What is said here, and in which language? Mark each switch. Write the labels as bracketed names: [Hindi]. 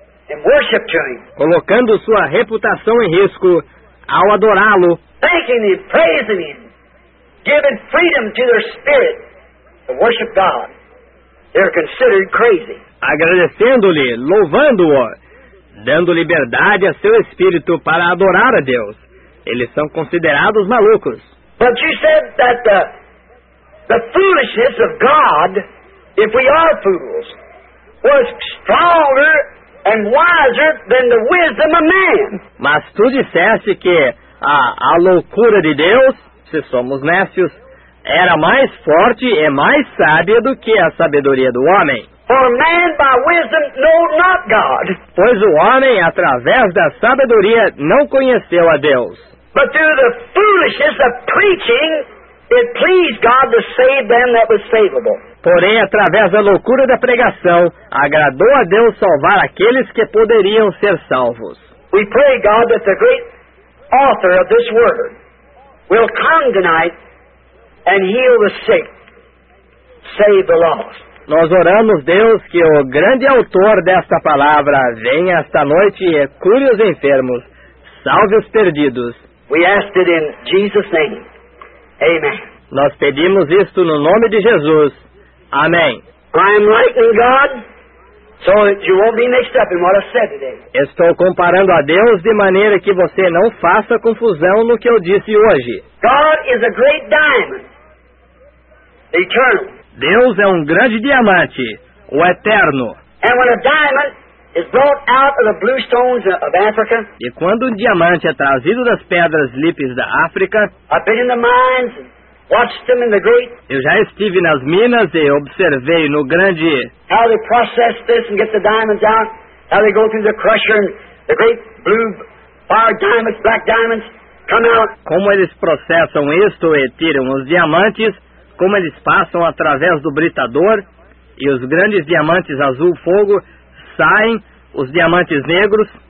[English] And worship to him. [Portuguese] Colocando sua reputação em risco ao adorá-lo. [English] Thanking him, praising him, giving freedom to their spirit to worship God. They're considered crazy. [Portuguese] Agradecendo-lhe, louvando-o, dando liberdade a seu espírito para adorar a Deus. Eles são considerados malucos. [English] But you said that the foolishness of God, if we are fools, was stronger and wiser than the wisdom of man. [Portuguese] Mas tu disseste que a loucura de Deus, se somos nécios, era mais forte e mais sábia do que a sabedoria do homem. [English] For man by wisdom knew not God. [Portuguese] Pois o homem, através da sabedoria, não conheceu a Deus. [English] But through the foolishness of preaching, it pleased God to save them that was savable. [Portuguese] Porém, através da loucura da pregação, agradou a Deus salvar aqueles que poderiam ser salvos. [English] We pray, God, that the great author of this word will come tonight and heal the sick, save the lost. [Portuguese] Nós oramos, Deus, que o grande autor desta palavra venha esta noite e cure os enfermos, salve os perdidos. [English] We ask it in Jesus' name. Amen. [Portuguese] Nós pedimos isto no nome de Jesus. Amém. [English] I'm lightning God, so you won't be mixed up in what I said today. [Portuguese] Estou comparando a Deus de maneira que você não faça confusão no que eu disse hoje. [English] God is a great diamond. Eternal. [Portuguese] Deus é um grande diamante, o eterno. [English] And when a diamond is brought out of the blue stones of Africa, [Portuguese] e quando um diamante é trazido das pedras lípidas da África, [English] I've been in the mines and watched them in the great. [Portuguese] Eu já estive nas minas e observei no grande. [English] How they process this and get the diamonds out. How they go through the crusher and the great blue bar diamonds, black diamonds come out. [Portuguese] Como eles processam isto e tiram os diamantes? Como eles passam através do britador e os grandes diamantes azul fogo saem, os diamantes negros.